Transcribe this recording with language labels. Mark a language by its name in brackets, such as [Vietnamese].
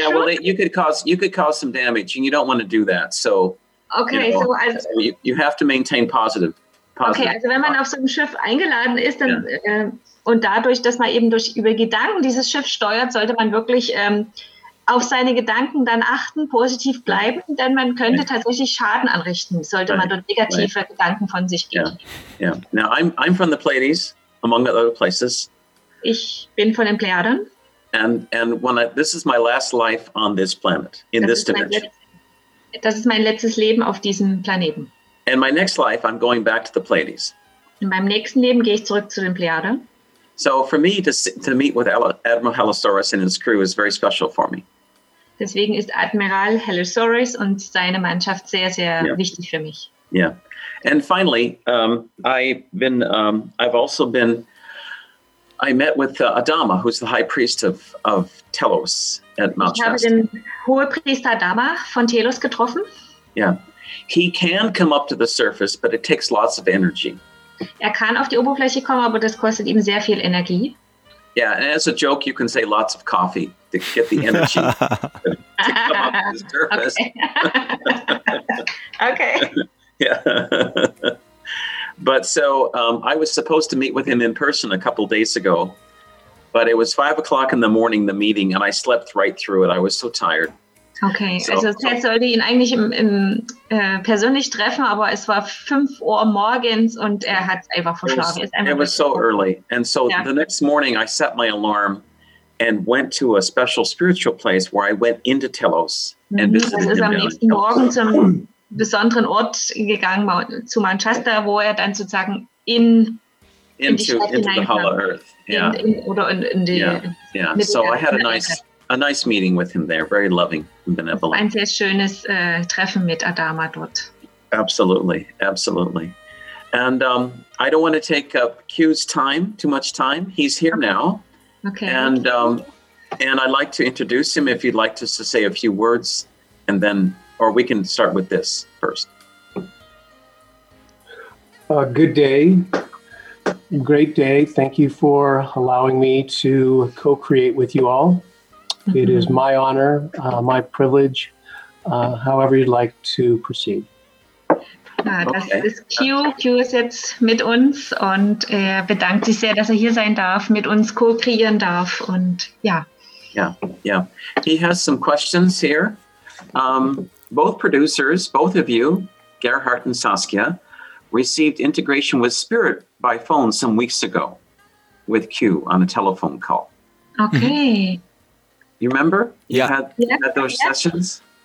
[English] Yeah, well, you could cause some damage, and you don't want to do that. So, okay, you have to maintain positive. [German] Okay, also wenn man auf so einem Schiff eingeladen ist dann, und dadurch, dass man eben durch über Gedanken dieses Schiff steuert, sollte man wirklich auf seine Gedanken dann achten, positiv bleiben, denn man könnte tatsächlich Schaden anrichten, sollte man dort negative Gedanken von sich geben. [English] Yeah. Yeah. Now I'm from the Pleiades, among the other places. [German] Ich bin von den Plejaden. [English] And when this is my last life on this planet, in this dimension. [German] Das ist mein letztes Leben auf diesem Planeten. [English] In my next life, I'm going back to the Pleiades. [German] In meinem nächsten Leben gehe ich zurück zu den Plejaden. [English] So for me to meet with Admiral Halosaurus and his crew is very special for me. [German] Deswegen ist Admiral Halosaurus und seine Mannschaft sehr, sehr wichtig für mich. [English] Yeah. And finally, I met with Adama, who's the high priest of Telos at Mount Shasta. [German] Ich habe den Hohepriester Adama von Telos getroffen. [English] Yeah. He can come up to the surface, but it takes lots of energy. [German] Er kann auf die Oberfläche kommen, aber das kostet ihm sehr viel Energie. [English] Yeah, and as a joke, you can say lots of coffee to get the energy to come up to the surface. Okay. Okay. Yeah. But so I was supposed to meet with him in person a couple days ago, but it was 5 o'clock in the morning, the meeting, and I slept right through it. I was so tired. [German] Okay, also Ted sollte ihn eigentlich persönlich treffen, aber es war 5 Uhr morgens und er hat einfach verschlafen. [English] It was so early. And so the next morning I set my alarm and went to a special spiritual place where I went into Telos and visited him. [German] Also ist am nächsten Morgen zum besonderen Ort gegangen, zu Mount Shasta, wo er dann sozusagen in die [English] the Hollow Earth. A nice meeting with him there, very loving and benevolent. [German] Ein sehr schönes Treffen mit Adama dort. [English] Absolutely, absolutely. And I don't want to take up Q's time, too much time. He's here now. Okay. And and I'd like to introduce him if you'd like just to say a few words, and then, or we can start with this first. Good day. Great day. Thank you for allowing me to co-create with you all. It is my honor, my privilege, however you'd like to proceed. [German] Ja, das ist Q. Q ist jetzt mit uns und bedankt sich sehr, dass er hier sein darf, mit uns co-kreieren darf und ja. [English] Yeah, yeah. He has some questions here. Both producers, both of you, Gerhard and Saskia, received integration with Spirit by phone some weeks ago with Q on a telephone call. Okay. Mm-hmm. You remember? Yeah. You had those sessions?